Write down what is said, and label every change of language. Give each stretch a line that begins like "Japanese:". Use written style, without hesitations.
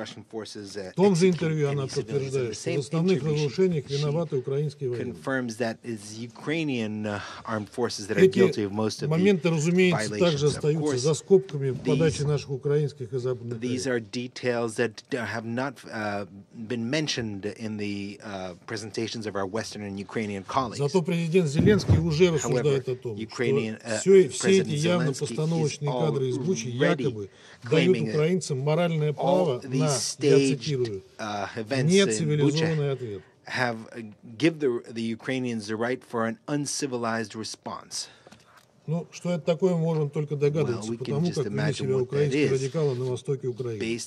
Russian: В том же интервью она подтверждает, что в основных разрушениях виноваты украинские войны. Эти моменты, разумеется, также остаются за скобками подачи наших украинских и западных.
English: These are details that have not been mentioned in the presentations of our Western and Ukrainian colleagues.
Russian: Зато президент Зеленский уже рассуждает о том, что все эти явно постановочные кадры из Бучи якобы дают украинцам моральное право на, я цитирую, нецивилизованный ответ.
English: Have give the Ukrainians the right for an uncivilized response.
Russian: Ну, что это такое, мы можем только догадываться, потому как вели себя украинские радикалы на востоке Украины.